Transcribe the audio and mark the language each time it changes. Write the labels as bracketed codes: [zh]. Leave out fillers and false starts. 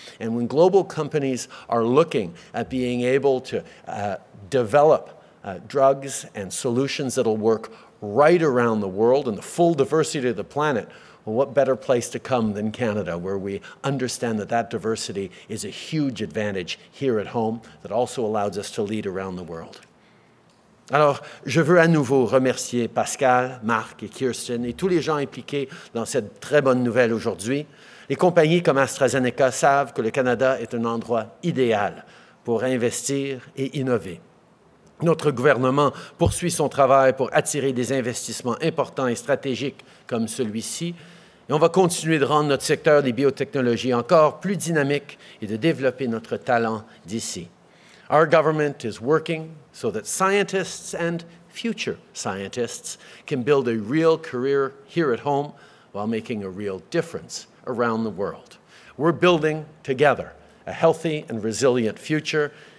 [en] And when global companies are looking at being able to develop drugs and solutions that'll work right around the world and the full diversity of the planet, well, what better place to come than Canada, where we understand that that diversity is a huge advantage here at home that also allows us to lead around the world. [fr] Alors, je veux à nouveau remercier Pascal, Marc et Kirsten et tous les gens impliqués dans cette très bonne nouvelle aujourd'hui. Les compagnies comme AstraZeneca savent que le Canada est un endroit idéal pour investir et innover. Notre gouvernement poursuit son travail pour attirer des investissements importants et stratégiques comme celui-ci. Et on va continuer de rendre notre secteur des biotechnologies encore plus dynamique et de développer notre talent d'ici. [en] Our government is working so that scientists and future scientists can build a real career here at home while making a real difference around the world. We're building together a healthy and resilient future.